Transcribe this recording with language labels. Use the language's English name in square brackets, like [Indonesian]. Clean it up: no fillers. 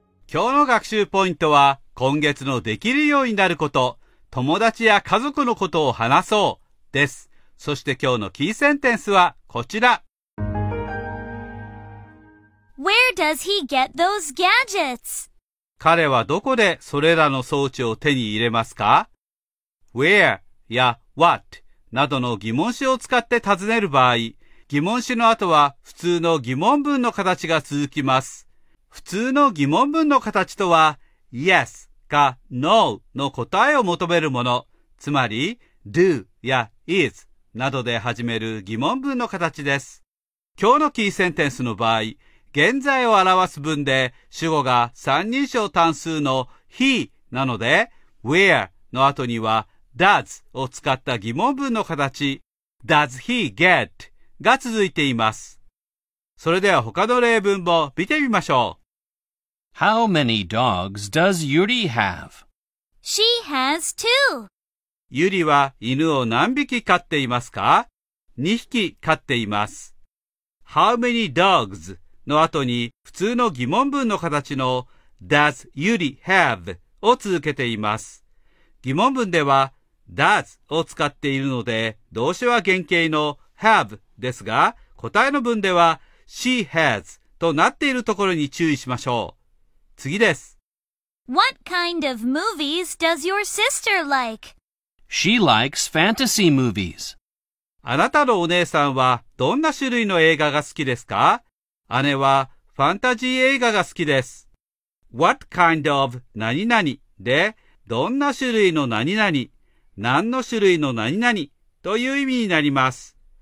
[Japanese] 今日の学習ポイントは、今月のできるようになること、友達や家族のことを話そうです。そして今日のキーセンテンスはこちら。 [English] Where does he get those gadgets? [Japanese] 彼はどこでそれらの装置を手に入れますか? Where や What などの疑問詞を使って尋ねる場合、疑問詞の後は普通の疑問文の形が続きます。普通の疑問文の形とは、Yes か No の答えを求めるもの、つまり Do や Is などで始める疑問文の形です。今日のキーセンテンスの場合、現在を表す文で主語が三人称単数の he なので where の後には does を使った疑問文の形 [English] does he get [Japanese] が続いています。それでは他の例文も見てみましょう。 [English] How many dogs does Yuri have? She has two. [Japanese] Yuri は犬を何匹飼っていますか ?2 匹飼っています。 [English] How many dogs? [Japanese] の後に普通の疑問文の形の [English] Does Yuri have? [Japanese] を続けています。疑問文では Does を使っているので動詞は原形の Have ですが答えの文では [English] She has [Japanese] となっているところに注意しましょう。次です。 [English] What kind of movies does your sister like? She likes fantasy movies. [Japanese] あなたのお姉さんはどんな種類の映画が好きですか? 姉はファンタジー映画が好きです。 [English] What kind of [Japanese] 何々で、どんな種類の何々、何の種類の何々という意味になります。